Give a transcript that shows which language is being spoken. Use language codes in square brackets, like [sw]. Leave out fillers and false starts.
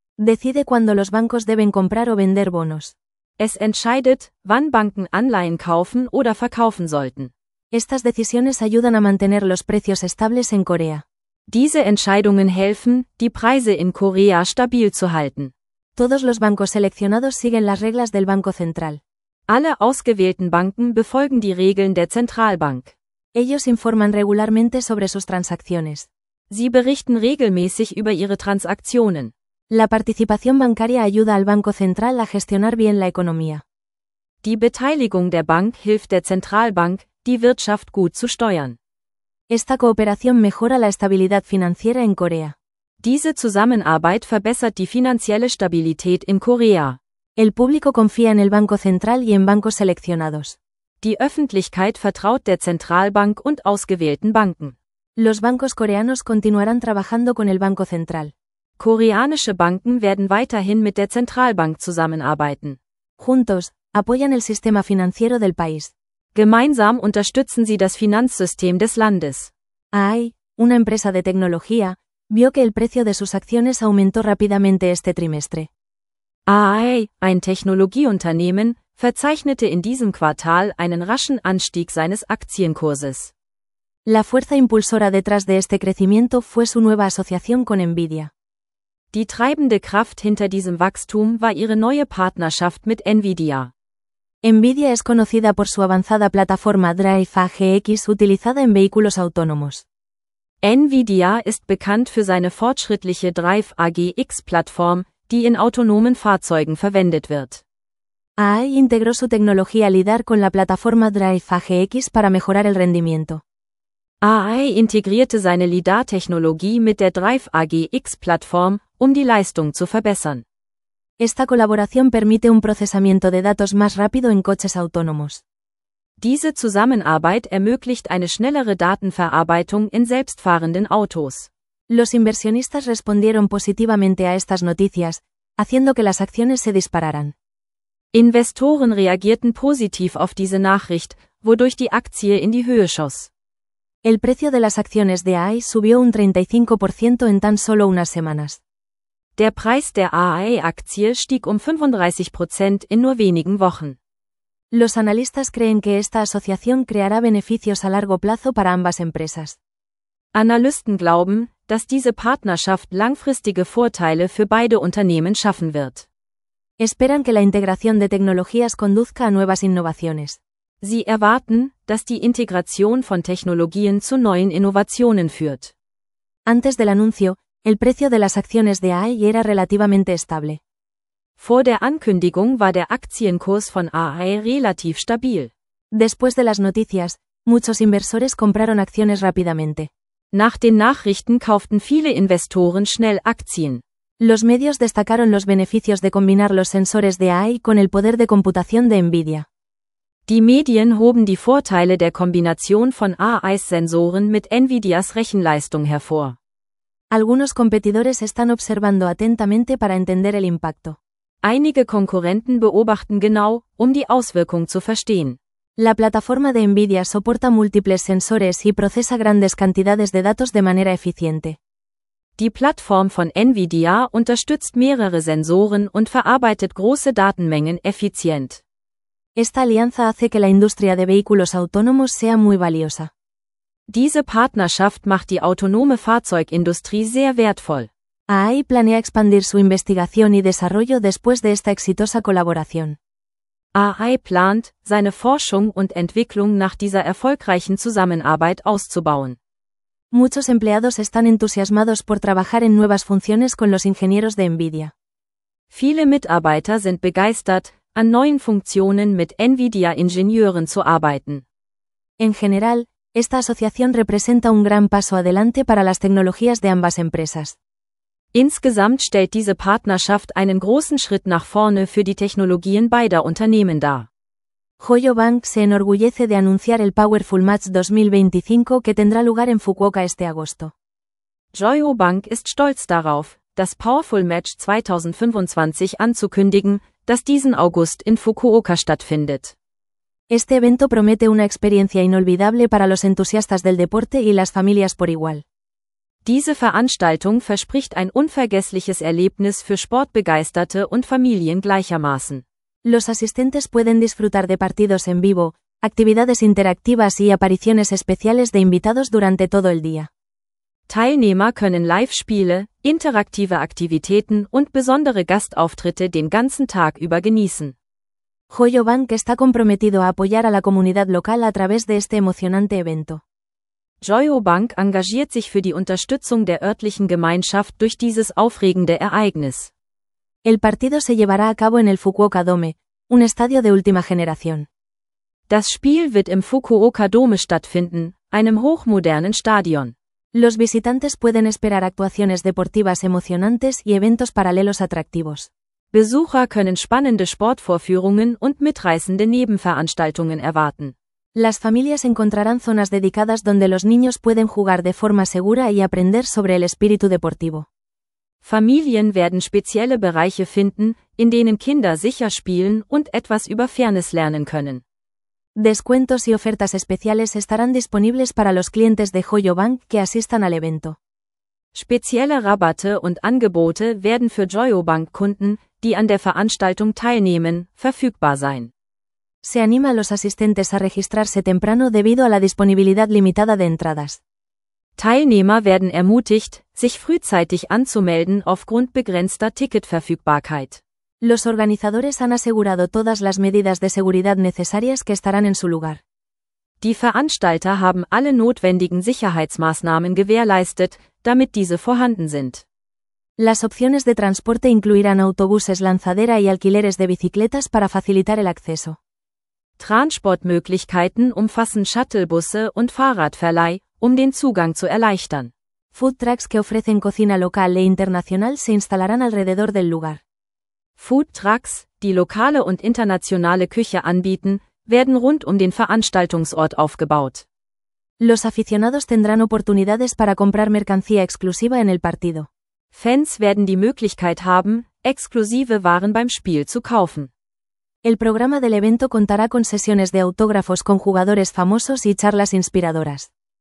[es] Decide cuando los bancos deben comprar o vender bonos. [de] Es entscheidet, wann Banken Anleihen kaufen oder verkaufen sollten. [es] Estas decisiones ayudan a mantener los precios estables en Corea. [de] Diese Entscheidungen helfen, die Preise in Korea stabil zu halten. [es] Todos los bancos seleccionados siguen las reglas del Banco Central. [de] Alle ausgewählten Banken befolgen die Regeln der Zentralbank. [es] Ellos informan regularmente sobre sus transacciones. [de] Sie berichten regelmäßig über ihre Transaktionen. [es] La participación bancaria ayuda al Banco Central a gestionar bien la economía. [de] Die Beteiligung der Bank hilft der Zentralbank, die Wirtschaft gut zu steuern. [es] Esta cooperación mejora la estabilidad financiera en Corea. [de] Diese Zusammenarbeit verbessert die finanzielle Stabilität in Korea. [es] El público confía en el Banco Central y en bancos seleccionados. [de] Die Öffentlichkeit vertraut der Zentralbank und ausgewählten Banken. [es] Los bancos coreanos continuarán trabajando con el Banco Central. [de] Koreanische Banken werden weiterhin mit der Zentralbank zusammenarbeiten. [es] Juntos, apoyan el sistema financiero del país. [de] Gemeinsam unterstützen sie das Finanzsystem des Landes. [es] AI, una empresa de tecnología, vio que el precio de sus acciones aumentó rápidamente este trimestre. [de] AI, ein Technologieunternehmen, verzeichnete in diesem Quartal einen raschen Anstieg seines Aktienkurses. [es] La fuerza impulsora detrás de este crecimiento fue su nueva asociación con Nvidia. [de] Die treibende Kraft hinter diesem Wachstum war ihre neue Partnerschaft mit Nvidia. [es] Nvidia es conocida por su avanzada plataforma Drive AGX utilizada en vehículos autónomos. [de] Nvidia ist bekannt für seine fortschrittliche Drive AGX-Plattform, die in autonomen Fahrzeugen verwendet wird. [es] AI integró su tecnología LiDAR con la plataforma Drive AGX para mejorar el rendimiento. [de] AI integrierte seine LiDAR-Technologie mit der Drive AGX-Plattform, um die Leistung zu verbessern. [es] Esta colaboración permite un procesamiento de datos más rápido en coches autónomos. [de] Diese Zusammenarbeit ermöglicht eine schnellere Datenverarbeitung in selbstfahrenden Autos. [es] Los inversionistas respondieron positivamente a estas noticias, haciendo que las acciones se dispararan. [de] Investoren reagierten positiv auf diese Nachricht, wodurch die Aktie in die Höhe schoss. [es] El precio de las acciones de AI subió un 35% en tan solo unas semanas. [de] Der Preis der AI-Aktie stieg um 35% in nur wenigen Wochen. [es] Los analistas creen que esta asociación creará beneficios a largo plazo para ambas empresas. [de] Analysten glauben, dass diese Partnerschaft langfristige Vorteile für beide Unternehmen schaffen wird. [es] Esperan que la integración de tecnologías conduzca a nuevas innovaciones. [de] Sie erwarten, dass die Integration von Technologien zu neuen Innovationen führt. [es] Antes del anuncio, el precio de las acciones de AI era relativamente estable. [de] Vor der Ankündigung war der Aktienkurs von AI relativ stabil. [es] Después de las noticias, muchos inversores compraron acciones rápidamente. [de] Nach den Nachrichten kauften viele Investoren schnell Aktien. [es] Los medios destacaron los beneficios de combinar los sensores de AI con el poder de computación de Nvidia. [de] Die Medien hoben die Vorteile der Kombination von AI-Sensoren mit Nvidias Rechenleistung hervor. [es] Algunos competidores están observando atentamente para entender el impacto. [de] Einige Konkurrenten beobachten genau, um die Auswirkung zu verstehen. [es] La plataforma de Nvidia soporta múltiples sensores y procesa grandes cantidades de datos de manera eficiente. [de] Die Plattform von Nvidia unterstützt mehrere Sensoren und verarbeitet große Datenmengen effizient. [es] Esta alianza hace que la industria de vehículos autónomos sea muy valiosa. [de] Diese Partnerschaft macht die autonome Fahrzeugindustrie sehr wertvoll. [es] AI planea expandir su investigación y desarrollo después de esta exitosa colaboración. [de] AI plant, seine Forschung und Entwicklung nach dieser erfolgreichen Zusammenarbeit auszubauen. [es] Muchos empleados están entusiasmados por trabajar en nuevas funciones con los ingenieros de Nvidia. [de] Viele Mitarbeiter sind begeistert, an neuen Funktionen mit Nvidia-Ingenieuren zu arbeiten. [es] En general, esta asociación representa un gran paso adelante para las tecnologías de ambas empresas. [de] Insgesamt stellt diese Partnerschaft einen großen Schritt nach vorne für die Technologien beider Unternehmen dar. [es] Hoyo Bank se enorgullece de anunciar el Powerful Match 2025 que tendrá lugar en Fukuoka este agosto. [de] Hoyo Bank ist stolz darauf, das Powerful Match 2025 anzukündigen, das diesen August in Fukuoka stattfindet. [es] Este evento promete una experiencia inolvidable para los entusiastas del deporte y las familias por igual. [de] Diese Veranstaltung verspricht ein unvergessliches Erlebnis für Sportbegeisterte und Familien gleichermaßen. [es] Los asistentes pueden disfrutar de partidos en vivo, actividades interactivas y apariciones especiales de invitados durante todo el día. [de] Teilnehmer können Live-Spiele, interaktive Aktivitäten und besondere Gastauftritte den ganzen Tag über genießen. [es] Hoyo Bank está comprometido a apoyar a la comunidad local a través de este emocionante evento. [de] Hoyo Bank engagiert sich für die Unterstützung der örtlichen Gemeinschaft durch dieses aufregende Ereignis. [es] El partido se llevará a cabo en el Fukuoka Dome, un estadio de última generación. [de] Das Spiel wird im Fukuoka Dome stattfinden, einem hochmodernen Stadion. [es] Los visitantes pueden esperar actuaciones deportivas emocionantes y eventos paralelos atractivos. [de] Besucher können spannende Sportvorführungen und mitreißende Nebenveranstaltungen erwarten. [es] Las familias encontrarán zonas dedicadas donde los niños pueden jugar de forma segura y aprender sobre el espíritu deportivo. [de] Familien werden spezielle Bereiche finden, in denen Kinder sicher spielen und etwas über Fairness lernen können. [es] Descuentos y ofertas especiales estarán disponibles para los clientes de Hoyo Bank que asistan al evento. [de] Spezielle Rabatte und Angebote werden für Hoyo Bank Kunden, die an der Veranstaltung teilnehmen, verfügbar sein. [es] Se anima a los asistentes a registrarse temprano debido a la disponibilidad limitada de entradas. [de] Teilnehmer werden ermutigt, sich frühzeitig anzumelden aufgrund begrenzter Ticketverfügbarkeit. [es] Los organizadores han asegurado todas las medidas de seguridad necesarias que estarán en su lugar. [de] Die Veranstalter haben alle notwendigen Sicherheitsmaßnahmen gewährleistet, damit diese vorhanden sind. [es] Las opciones de transporte incluirán autobuses lanzadera y alquileres de bicicletas para facilitar el acceso. [de] Transportmöglichkeiten umfassen Shuttlebusse und Fahrradverleih, um den Zugang zu erleichtern. [es] Food trucks que ofrecen cocina local e internacional se instalarán alrededor del lugar. [de] Food trucks, die lokale und internationale Küche anbieten, werden rund um den Veranstaltungsort aufgebaut. [es] Los aficionados tendrán oportunidades para comprar mercancía exclusiva en el partido. [de] Fans werden die Möglichkeit haben, exklusive Waren beim Spiel zu kaufen. [es] El programa del evento contará con sesiones de autógrafos con jugadores famosos y charlas inspiradoras.